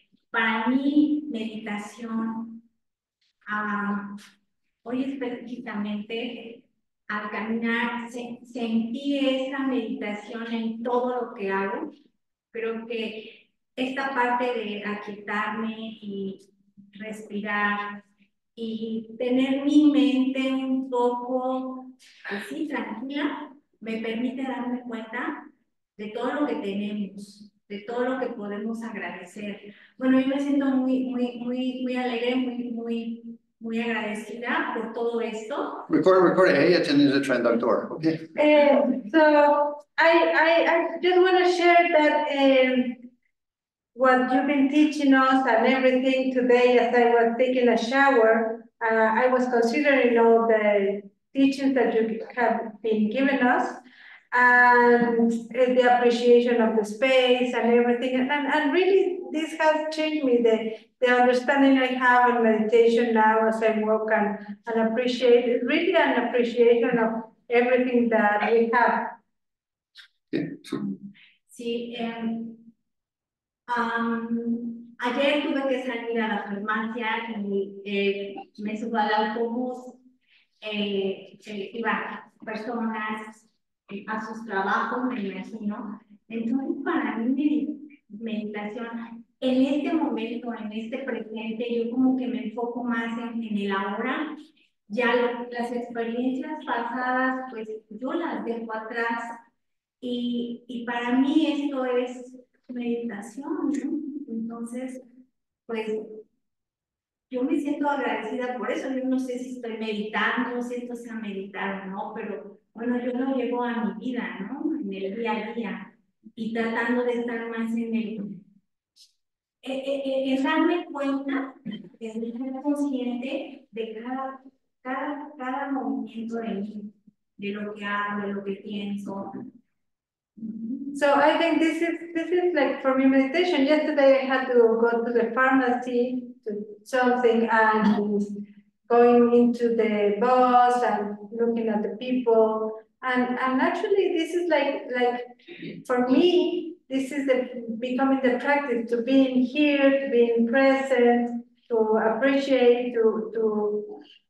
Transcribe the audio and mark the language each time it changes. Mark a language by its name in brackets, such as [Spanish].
[Spanish] Para mí, meditación, hoy específicamente, al caminar, sentí esa meditación en todo lo que hago, pero que esta parte de aquietarme y respirar y tener mi mente un poco así, tranquila, me permite darme cuenta de todo lo que tenemos, de todo lo que podemos agradecer. Bueno, yo me siento muy, muy, muy, muy alegre, muy, muy, muy agradecida por todo esto. [English] Recording. Hey, attending the translator. Okay. So I just want to share that what you've been teaching us and everything today. As I was taking a shower, I was considering all the teachings that you have been giving us. And the appreciation of the space and everything. And really, this has changed me, the understanding I have in meditation now as I walk and appreciate, really an appreciation of everything that we have. [Spanish] Sí, ayer tuve que salir a la farmacia y me subo al autobús, iba personas a sus trabajos, me imagino. Entonces, para mí, meditación, en este momento, en este presente, yo como que me enfoco más en el ahora. Ya las experiencias pasadas, pues, yo las dejo atrás. Y para mí esto es meditación, ¿no? Entonces, pues, yo me siento agradecida por eso. Yo no sé si estoy meditando, si esto sea meditar o no, pero Bueno, yo lo llevo a mi vida, ¿no? En el día a día y tratando de estar más en el... En darme cuenta, de ser consciente de cada movimiento de mí, de lo que hago, de lo que pienso. [English] So I think this is like for me meditation. Yesterday I had to go to the pharmacy to something and going into the bus and looking at the people. And actually this is like for me, this is the becoming the practice to being here, to being present, to appreciate, to